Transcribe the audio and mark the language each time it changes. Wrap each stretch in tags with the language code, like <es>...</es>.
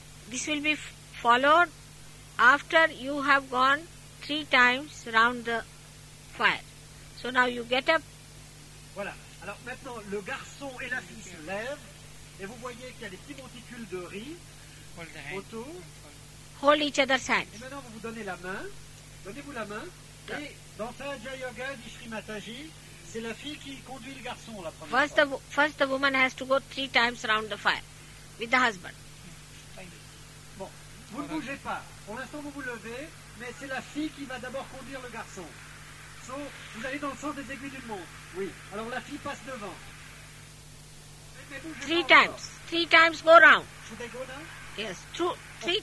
<en>This will be followed after you have gone three times round the fire. So now you get up.</en> <fr>Voilà. Alors maintenant, le garçon et la fille se lèvent et vous voyez qu'il y a des petits monticules de riz autour.</fr> <en>Hold each other's hands.</en> <fr>Et maintenant, vous vous donnez la main. Donnez-vous la main. Et dans Sahaja Yoga, dit Shri Mataji, c'est la fille qui conduit le garçon la première fois.</fr> <en>First, the woman has to go three times round the fire with the husband.</en> <fr>Bon, vous ne bougez pas. Pour l'instant, vous vous levez, mais c'est la fille qui va d'abord conduire le garçon.</fr> <en>So,</en> <fr>vous allez dans le sens des aiguilles d'une montre. Oui. Alors la fille passe devant.</fr> <en>Three times. Encore. Three times go round. Should I go now? Yes. Three</en>